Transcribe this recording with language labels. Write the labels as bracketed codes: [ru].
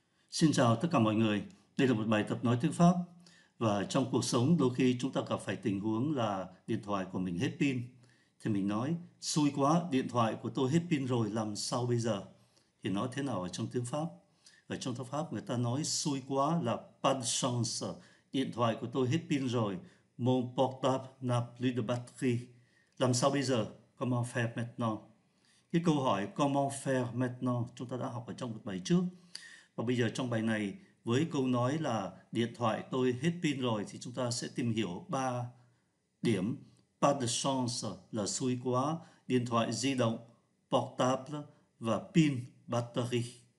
[vi] Xin chào tất cả mọi người. Đây là một bài tập nói tiếng Pháp. Và trong cuộc sống, đôi khi chúng ta gặp phải tình huống là điện thoại của mình hết pin. Thì mình nói, xui quá, điện thoại của tôi hết pin rồi, làm sao bây giờ? Thì nói thế nào ở trong tiếng Pháp? Ở trong tiếng Pháp, người ta nói xui quá là [fr] pas de chance. [vi] Điện thoại của tôi hết pin rồi. [fr] Mon portable n'a plus de batterie. [vi] Làm sao bây giờ? [fr] Comment faire maintenant? [vi] Cái câu hỏi [fr] comment faire maintenant [vi] chúng ta đã học ở trong một bài trước. Và bây giờ trong bài này, với câu nói là điện thoại tôi hết pin rồi, thì chúng ta sẽ tìm hiểu 3 điểm. [fr] Pas de chance [vi] là xui quá, điện thoại di động, portable và pin, battery.